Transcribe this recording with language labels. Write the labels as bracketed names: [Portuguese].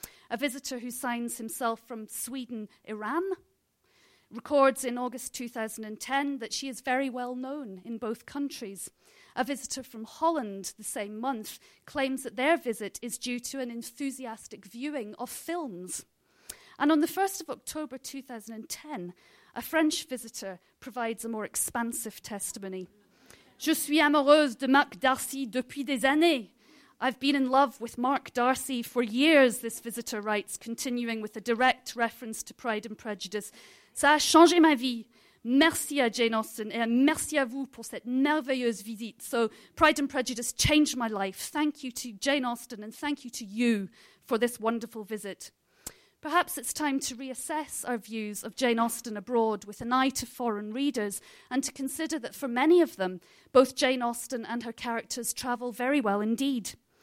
[English] A visitor who signs himself from Sweden, Iran, records in August 2010 that she is very well known in both countries. A visitor from Holland the same month claims that their visit is due to an enthusiastic viewing of films. And on the 1st of October 2010, a French visitor provides a more expansive testimony. [French] Je suis amoureuse de Marc Darcy depuis des années. [English] I've been in love with Marc Darcy for years, this visitor writes, continuing with a direct reference to Pride and Prejudice. [French] Ça a changé ma vie. Merci à Jane Austen et merci à vous pour cette merveilleuse visite. [English] So Pride and Prejudice changed my life. Thank you to Jane Austen and thank you to you for this wonderful visit. Perhaps it's time to reassess our views of Jane Austen abroad with an eye to foreign readers and to consider that for many of them, both Jane Austen and her characters travel very well indeed.